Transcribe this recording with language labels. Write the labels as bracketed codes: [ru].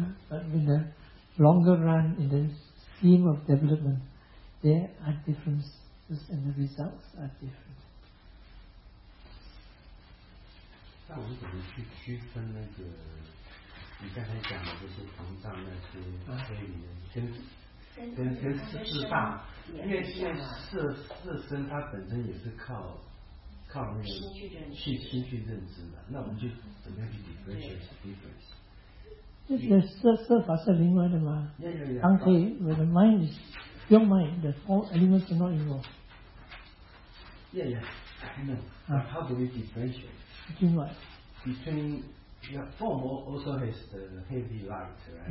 [en] But in the longer run, in the scheme of development, there are differences and the results are different. [zh] 那我们怎么去区分那个你刚才讲的这些膨胀那些非理的跟四大，因为现在色身它本身也是靠那个心去认知的，那我们就怎么样去 differentiate？那个色法是另外的吗？当可以 [en] ，with the mind is pure mind, the four elements are not involved. Yeah, I know. But how do we differentiate? Between what? Between the form also has the heavy light, right?